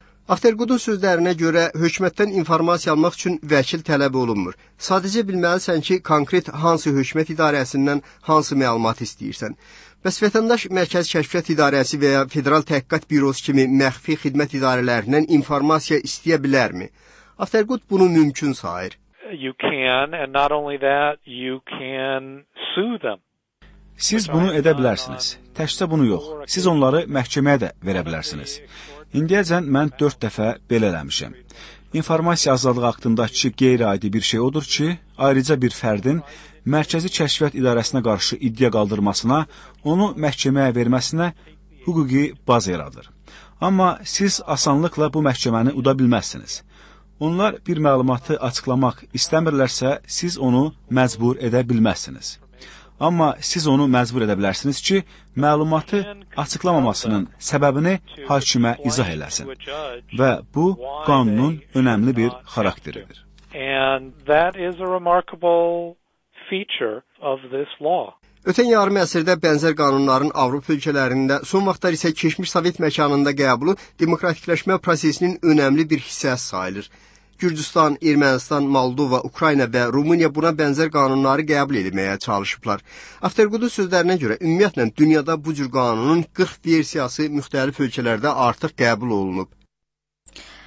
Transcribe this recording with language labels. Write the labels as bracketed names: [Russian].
[Azerbaijani] Aftergoodun sözlərinə görə, hökumətdən informasiya almaq üçün vəkil tələb olunmur. Sadəcə bilməlisən ki, konkret hansı hökumət idarəsindən hansı məlumat istəyirsən. Bəs vətəndaş Mərkəzi Kəşfiyyat İdarəsi və ya Federal Təhqiqat Bürosu kimi məxfi xidmət idarələrindən informasiya istəyə bilərmi? Aftergood bunu mümkün sayır. [English] You can, and not only that, you can sue them. [Azerbaijani] Siz bunu edə bilərsiniz. Təkcə bunu yox. Siz onları məhkəməyə də verə bilərsiniz. İndiyəcən mən 4 dəfə belə eləmişəm. İnformasiya azadlığı haqqındakı qeyri-adi bir şey odur ki, ayrıca bir fərdin Mərkəzi Kəşfiyyat İdarəsinə qarşı iddia qaldırmasına, onu məhkəməyə verməsinə hüquqi baza yaradır. Amma siz asanlıqla bu məhkəməni uda bilməzsiniz. Onlar bir məlumatı açıqlamaq istəmirlərsə, siz onu məcbur edə bilməzsiniz. Amma siz onu məcbur edə bilərsiniz ki, məlumatı açıqlamamasının səbəbini hakimə izah eləsin. Və bu, qanunun önəmli bir xarakteridir. [English] And that is a remarkable feature of this law. [Azerbaijani] Ötən yarım əsrdə bənzər qanunların Avropa ölkələrində, son vaxtlar isə keçmiş Sovet məkanında qəbulu demokratikləşmə prosesinin önəmli bir hissəsi sayılır. Gürcüstan, Ermənistan, Moldova, Ukrayna və Rumıniya buna bənzər qanunları qəbul etməyə çalışıblar. Aftergoodun sözlərinə görə, ümumiyyətlə, dünyada bu cür qanunun 40 versiyası müxtəlif ölkələrdə artıq qəbul olunub.